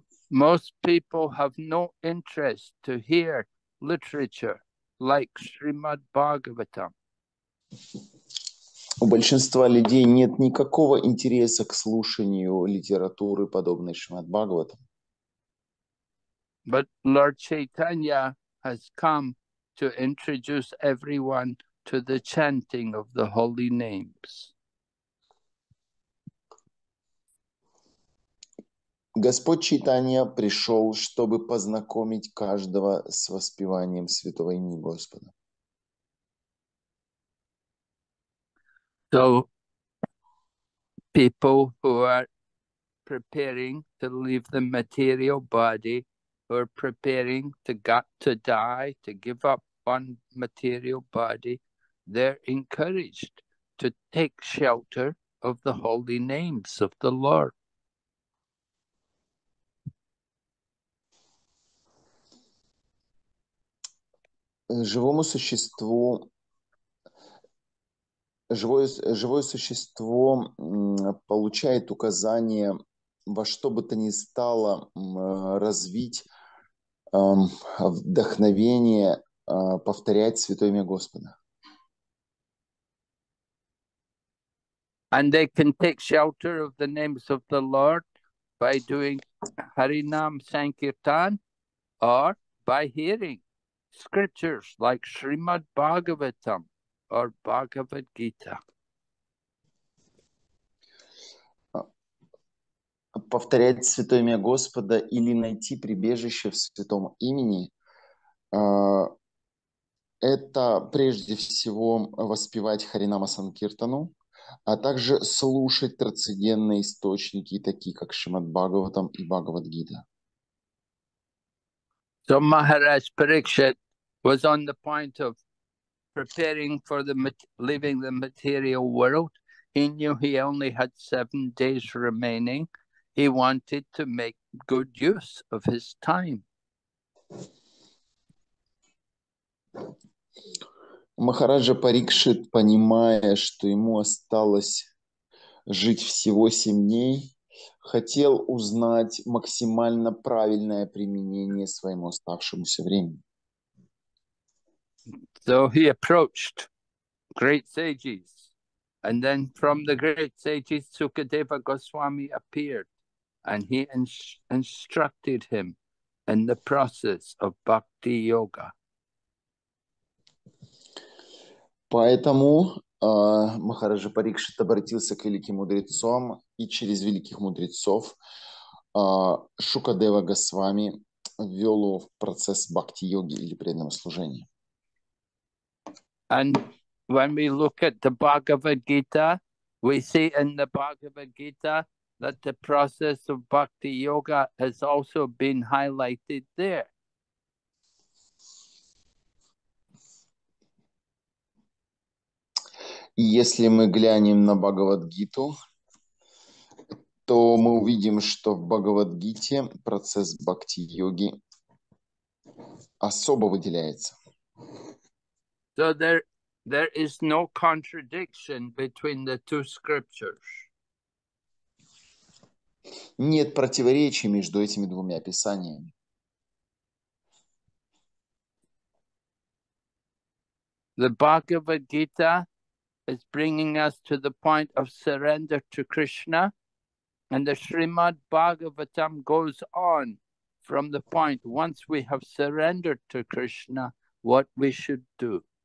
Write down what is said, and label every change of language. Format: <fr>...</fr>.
<en>Most people have no interest to hear literature like Srimad Bhagavatam.</en> <ru>У большинства людей нет никакого интереса к слушанию литературы, подобной Шримад Бхагаватам.</ru> <en>But Lord Chaitanya has come to introduce everyone to the chanting of the holy names.</en> <ru>Господь Чайтанья пришел, чтобы познакомить каждого с воспеванием святого имени Господа.</ru> <en>So, people who are preparing to leave the material body, who are preparing to die, to give up one material body, they're encouraged to take shelter of the holy names of the Lord.</en> <ru>Живому существу, живое существо получает указание во что бы то ни стало развить вдохновение повторять святое имя Господа.</ru> <en>And they can take shelter of the names of the Lord by doing Harinam Sankirtan or by hearing scriptures like Srimad Bhagavatam or Bhagavad Gita.</en> <ru>Повторять святое имя Господа или найти прибежище в святом имени – это прежде всего воспевать Харинама Санкиртану, а также слушать трансцендентные источники, такие как Шримад Бхагаватам и Бхагавад Гита.</ru> <en>So Maharaj Parikshit was on the point of preparing for leaving the material world. He knew he only had 7 days remaining. He wanted to make good use of his time.</en> <ru>Махараджа Парикшит, понимая, что ему осталось жить всего 7 дней, хотел узнать максимально правильное применение своему оставшемуся времени.</ru> <en>So he approached great sages, and then from the great sages, Sukadeva Goswami appeared, and he instructed him in the process of bhakti yoga.</en> <ru>Поэтому Махараджа Парикшит обратился к великим мудрецам, и через великих мудрецов Шукадева Госвами ввел его в процесс бхакти-йоги или преданного служения.</ru> <en>And when we look at the Bhagavad Gita, we see in the Bhagavad Gita that the process of bhakti-yoga has also been highlighted there.</en> <ru>Если мы глянем на Бхагавадгиту, то мы увидим, что в Бхагавадгите процесс бхакти-йоги особо выделяется.</ru> <en>So there is no contradiction between the two scriptures.</en> <ru>Нет противоречий между этими двумя писаниями.</ru> <en>The Bhagavad Gita is bringing us to the point of surrender to Krishna, and the Srimad Bhagavatam goes on from the point once we have surrendered to Krishna, what we should do.</en>